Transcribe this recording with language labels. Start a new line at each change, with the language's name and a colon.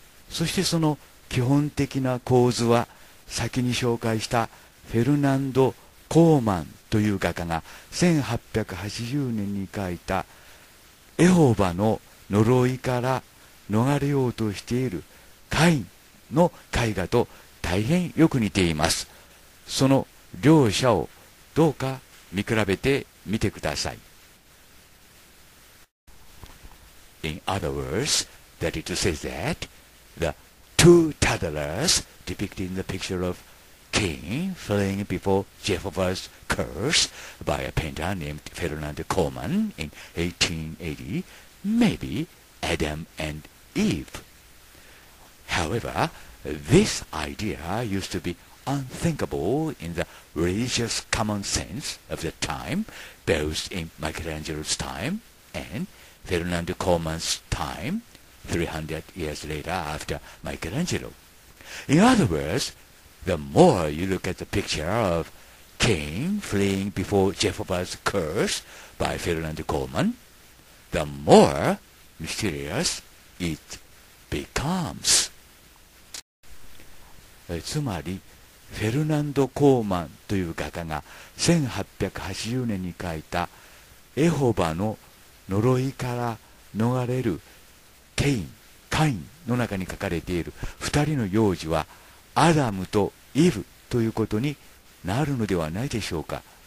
Japanese: そしてその基本的な構図は、先に紹介したフェルナンド・コーマンという画家が1880年に描いたエホバの呪いから逃れようとしているカインの絵画と大変よく似ています。その両者をどうか見比べてみてください。
English: In other words, that is to say that the two toddlers depicting the picture of Cain fleeing before Jehovah's curse by a painter named Fernand Coleman in 1880 may be Adam and EveHowever, this idea used to be unthinkable in the religious common sense of the time, both in Michelangelo's time and Fernand Coleman's time, 300 years later after Michelangelo. In other words, the more you look at the picture of Cain fleeing before Jehovah's curse by Fernand Coleman, the more mysterious it becomes.
Japanese: つまりフェルナンド・コーマンという画家が1880年に描いたエホバの呪いから逃れるケイン、カインの中に描かれている2人の幼児はアダムとイブということになるのではないでしょうか。